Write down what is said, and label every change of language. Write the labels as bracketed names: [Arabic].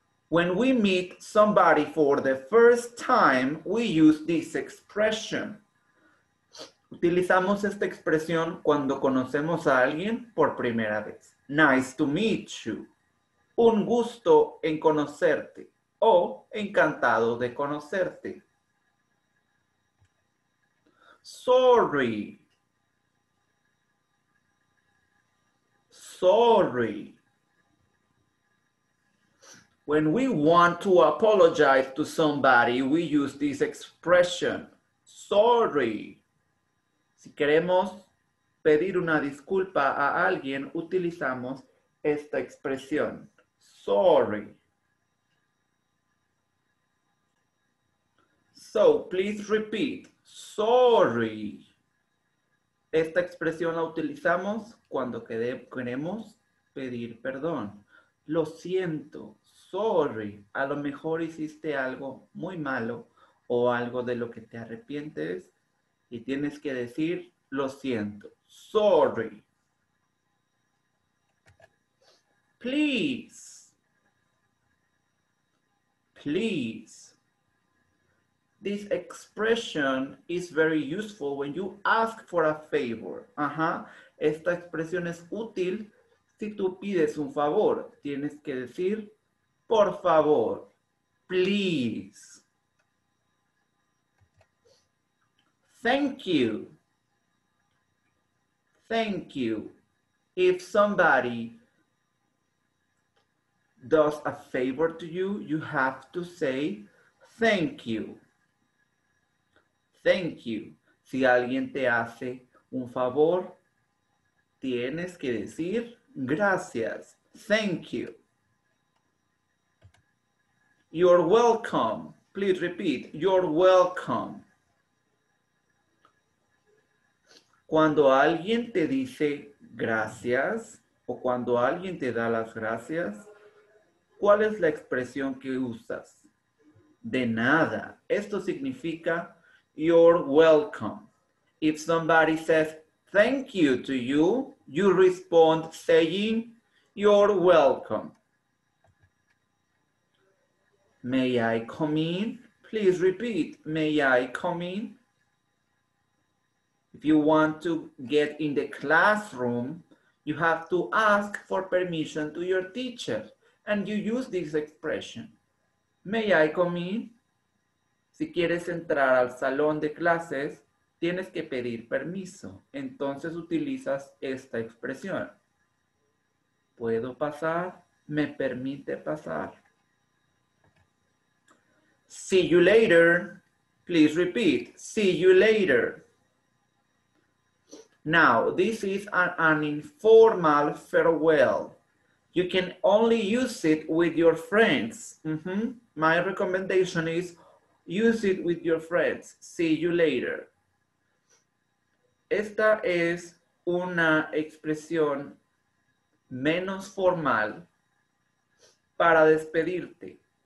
[English] When we meet somebody for the first time, we use this expression. [Spanish] Utilizamos esta expresión cuando conocemos a alguien por primera vez. [English] Nice to meet you. [Spanish] Un gusto en conocerte. O encantado de conocerte. [English] Sorry. Sorry. When we want to apologize to somebody, we use this expression. Sorry. Si queremos pedir una disculpa a alguien, utilizamos esta expresión. Sorry. So, please repeat. Sorry. [Spanish] Esta expresión la utilizamos cuando queremos pedir perdón. Lo siento. [English] Sorry. [Spanish] A lo mejor hiciste algo muy malo o algo de lo que te arrepientes. Y tienes que decir, lo siento. [English] Sorry. Please. Please. This expression is very useful when you ask for a favor. Ajá. [Spanish] Esta expresión es útil si tú pides un favor. Tienes que decir, por favor. [English] Please. Thank you. Thank you. If somebody does a favor to you, you have to say thank you. Thank you. [Spanish] Si alguien te hace un favor, tienes que decir gracias. [English] Thank you. You're welcome. Please repeat. You're welcome. [Spanish] Cuando alguien te dice gracias o cuando alguien te da las gracias, ¿cuál es la expresión que usas? De nada. Esto significa [English] you're welcome. If somebody says thank you to you, you respond saying you're welcome. May I come in? Please repeat, may I come in? If you want to get in the classroom, you have to ask for permission to your teacher. And you use this expression. May I come in? [Spanish] Si quieres entrar al salón de clases, tienes que pedir permiso. Entonces utilizas esta expresión. ¿Puedo pasar? ¿Me permite pasar? [English] See you later. Please repeat. See you later. Now, this is an informal farewell. You can only use it with your friends. My recommendation is use it with your friends. See you later. [Spanish] Esta es una expresión menos formal para despedirte.